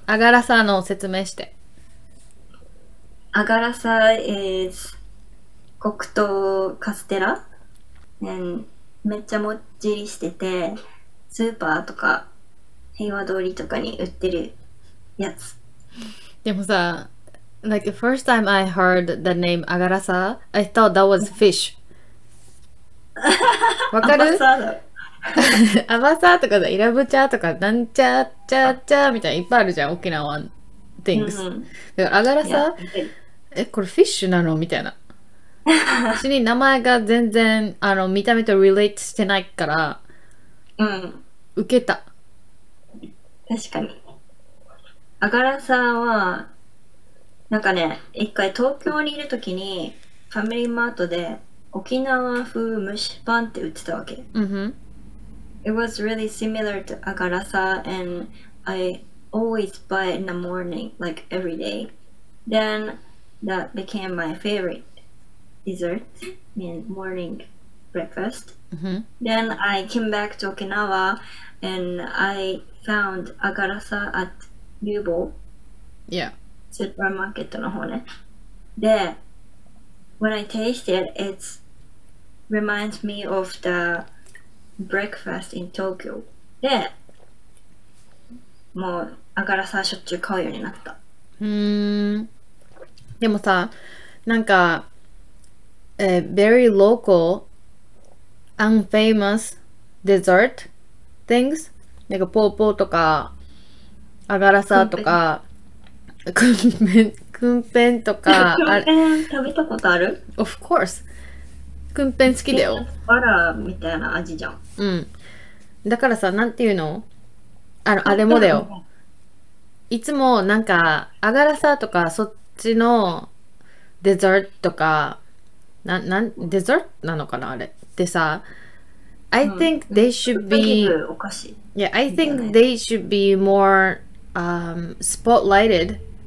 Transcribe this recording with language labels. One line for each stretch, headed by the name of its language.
Japanese: アガラサの説明して。アガラサ is 黒糖カステラ、and めっちゃもっちりしてて、スーパーとか平和通りとかに売ってるやつ。でもさ、
English: like the first time I heard the name アガラサ、I thought that was fish.
Japanese: わかる？アバサーとかだ、イラブチャーとかなんちゃーちゃーちゃーみたいないっぱいあるじゃん、沖縄の things、うんうん、アガラサー、え、これフィッシュなのみたいな。私に名前が全然あの見た目と relate してないから、うん、受けた。確かにアガラサーはなんかね、一回東京にいるときにファミリーマートで沖縄風蒸しパンって売ってたわけ。 Mm-hmm.
English: It was really similar to agarasa and I always buy it in the morning, like every day. Then that became my favorite dessert in morning breakfast. Mm-hmm. Then I came back to Okinawa and I found agarasa at Yubo. Yeah.
Japanese: Supermarket の方ね。
English: で、when I tasted it, it'sreminds me of the breakfast in Tokyo.
Japanese: で、もうアガラサしょっちゅう買うようになった。でもさ、なんか、
English: very local, unfamous dessert things,
Japanese: なんかポーポーとかアガラサとかクンペンとか。クンペン食べたことある？
English: Of course.
Japanese: くんぺん好きだよ。バラみたいな味じゃん。うん。だからさ、なんていうの？あの、あれもだよ。いつもなんか、アガラサとか、そっちのデザートとか、デザートなのかなあれ。でさ、うん、
English: I think they should be,
Japanese: お菓子、
English: yeah, I think they should be more, spotlighted.